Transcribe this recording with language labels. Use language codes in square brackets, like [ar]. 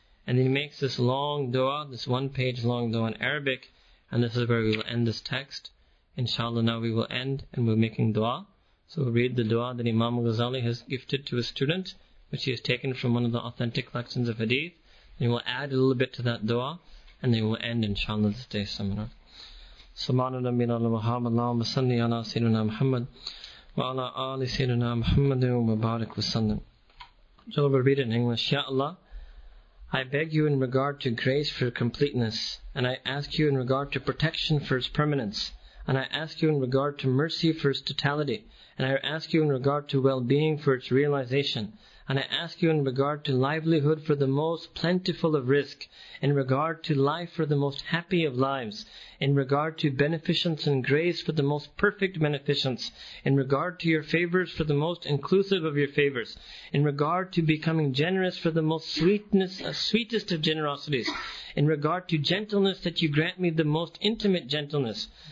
[en] And he makes this long du'a, this one page long du'a in Arabic, and this is where we will end this text. Inshallah, now we will end and we're making du'a. So we'll read the du'a that Imam Ghazali has gifted to his student, which he has taken from one of the authentic collections of hadith, and we'll add a little bit to that du'a, and then we'll end inshallah this day's seminar. [ar] سبحان ربي العظيم اللهم صل على سيدنا محمد وعلى آل سيدنا محمد وبارك وسلم. [en] So we'll read in English. Ya Allah, I beg you in regard to grace for completeness, and I ask you in regard to protection for its permanence, and I ask you in regard to mercy for its totality, and I ask you in regard to well-being for its realization, and I ask you in regard to livelihood for the most plentiful of risk, in regard to life for the most happy of lives, in regard to beneficence and grace for the most perfect beneficence, in regard to your favors for the most inclusive of your favors, in regard to becoming generous for the most sweetest of generosities, in regard to gentleness that you grant me the most intimate gentleness.